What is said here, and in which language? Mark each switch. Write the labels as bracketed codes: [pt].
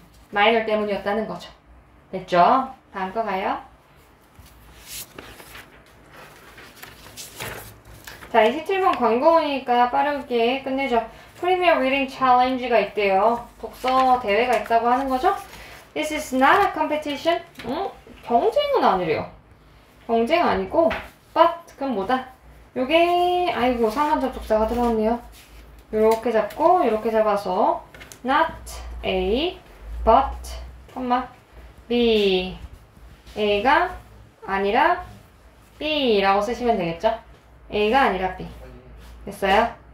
[ko] 마이널 때문이었다는 거죠. 됐죠? 다음 거 가요. 자, 이 17번 광고니까 빠르게 끝내죠. 프리미어 리딩 챌린지가 있대요. 독서 대회가 있다고 하는 거죠? [en] This is not a competition. [ko] 경쟁은 아니래요. 경쟁 아니고, but, 그건 뭐다? 요게, 아이고, 상관접 독사가 들어왔네요. 요렇게 잡고, 요렇게 잡아서, not a, but, 콤마, b. a가 아니라 b라고 쓰시면 되겠죠? a가 아니라 b. 됐어요?